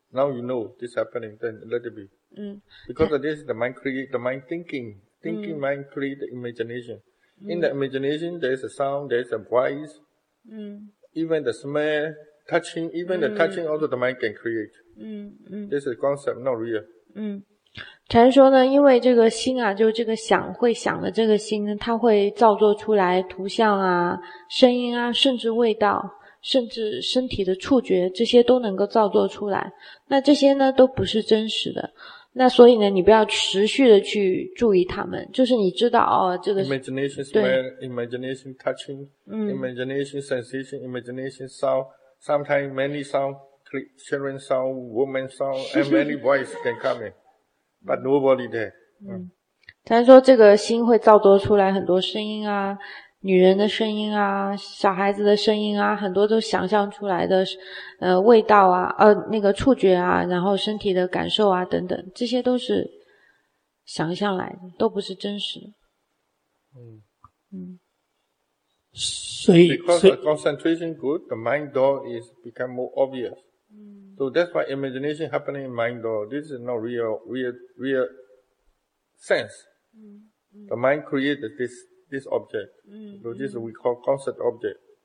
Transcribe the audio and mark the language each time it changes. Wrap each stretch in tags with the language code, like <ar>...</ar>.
<en>Now you know this happening, then let it be. Because of this, the mind create, the mind thinking. Thinking mind create the imagination. In the imagination, there is a sound, there is a voice. Even the smell, touching, even the touching also the mind can create. This is concept, not real.</en> <zh>禅说呢，因为这个心啊，就这个想会想的这个心呢，它会造作出来图像啊、声音啊，甚至味道，甚至身体的触觉，这些都能够造作出来。那这些呢，都不是真实的。那所以呢，你不要持续的去注意它们，就是你知道哦，这个</zh> <en>imagination smell, imagination touching, imagination sensation, imagination sound, sometimes many sound, children sound, woman sound, and many voice can come in. But nobody there.</en> <zh>他说这个心会造作出来很多声音啊，女人的声音啊，小孩子的声音啊，很多都想象出来的，味道啊，那个触觉啊，然后身体的感受啊等等，这些都是想象来的，都不是真实的。所以</zh> <en>Because the concentration good, the mind door is become more obvious. So that's why imagination happening in mind door. This is not real sense. The mind created this object. So this we call concept object.</en>